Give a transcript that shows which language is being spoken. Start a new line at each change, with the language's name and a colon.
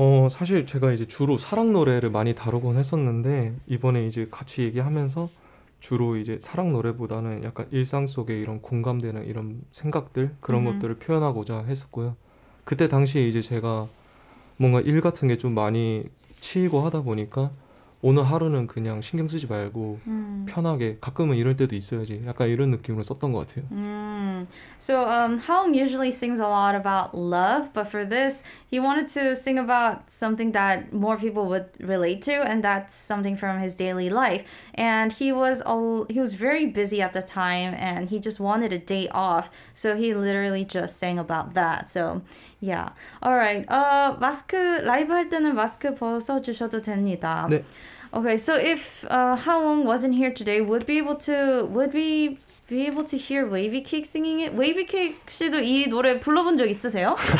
Korean: 사실 제가 이제 주로 사랑 노래를 많이 다루곤 했었는데 이번에 이제 같이 얘기하면서 주로 이제 사랑 노래보다는 약간 일상 속에 이런 공감되는 이런 생각들 그런 것들을 표현하고자 했었고요. 그때 당시에 이제 제가 뭔가 일 같은 게 좀 많이 치이고 하다 보니까. 오늘 하루는 그냥 신경 쓰지 말고 편하게 가끔은 이럴 때도 있어야지 약간 이런 느낌으로 썼던 것 같아요.
English: So Haung usually sings a lot about love, but for this he wanted to sing about something that more people would relate to, and that's something from his daily life. And he was very busy at the time, and he just wanted a day off. So he literally just sang about that. So yeah. All right.
Korean: 마스크 라이브 할 때는 마스크 벗어 주셔도 됩니다. 네.
English: Okay, so if Haung wasn't here today, would we be able to hear Wavy Cake singing it?
Korean: Wavy Cake 씨도 이 노래 불러본 적 있으세요?